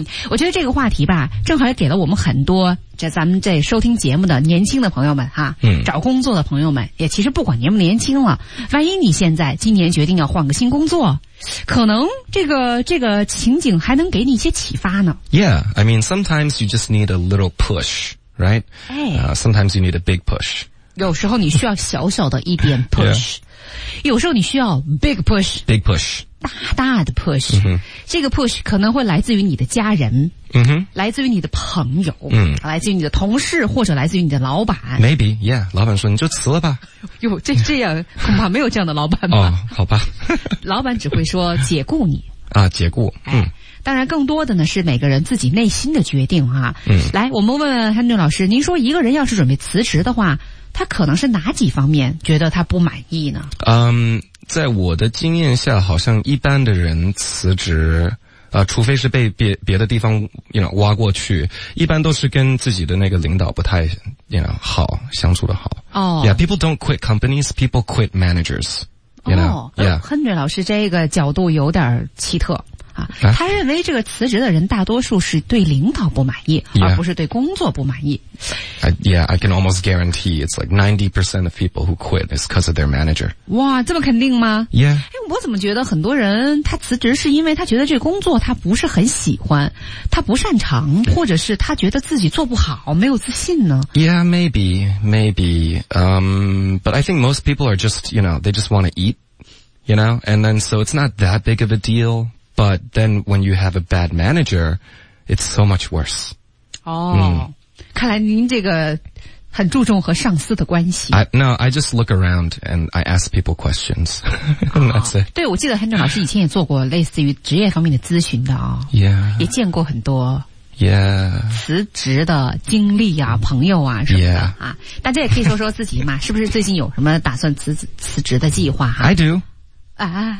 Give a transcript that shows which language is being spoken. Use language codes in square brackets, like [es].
[zh] 我觉得这个话题吧，正好也给了我们很多这咱们这收听节目的年轻的朋友们哈、找工作的朋友们，也其实不管年不年轻了，万一你现在今年决定要换个新工作，可能这个情景还能给你一些启发呢。 [en] Yeah, I mean sometimes you just need a little pushRight?、Sometimes you need a big push. [zh] 有时候你需要小小的一点 push. 、 [en] yeah. [zh] 有时候你需要 [en] big push. Big push. [zh] 大大的 push.、这个 push 可能会来自于你的家人、来自于你的朋友、来自于你的同事，或者来自于你的老板。 [en] Maybe, yeah. [zh] 老板说你就辞了吧。哟，这样恐怕没有这样的老板吧。哦、好吧。老板只会说解雇你。啊，解雇。当然更多的呢是每个人自己内心的决定啊。来，我们问问 Henry 老师，您说一个人要是准备辞职的话，他可能是哪几方面觉得他不满意呢？在我的经验下，好像一般的人辞职除非是被别的地方 [en] you know, [zh] 挖过去，一般都是跟自己的那个领导不太 you know, 好，相处的好。 [en] Yeah, people don't quit companies, people quit managers. You know? [zh] Henry 老师这个角度有点奇特。他认为这个辞职的人大多数是对领导不满意、而不是对工作不满意。 [en] I can almost guarantee it's like 90% of people who quit is because of their manager. [zh] 哇，这么肯定吗？ [en] Yeah. [zh] 我怎么觉得很多人他辞职是因为他觉得这工作他不是很喜欢，他不擅长，或者是他觉得自己做不好，没有自信呢？ [en] Yeah, maybe, maybe. But I think most people are just, you know, they just want to eat, you know, and then so it's not that big of a deal. But then when you have a bad manager, it's so much worse. [zh] 哦、看来您这个很注重和上司的关系。 [en] I just look around and I ask people questions. That's it. [zh] 对，我记得 Henry 老师以前也做过类似于职业方面的咨询的啊、 [en] Yeah. [zh] 也见过很多。 [en] Yeah. [zh] 辞职的经历啊，朋友啊什么的、 [en] yeah. [zh] 啊。大家也可以说说自己嘛，是不是最近有什么打算辞职的计划啊 [en] ?I do. [zh] 啊、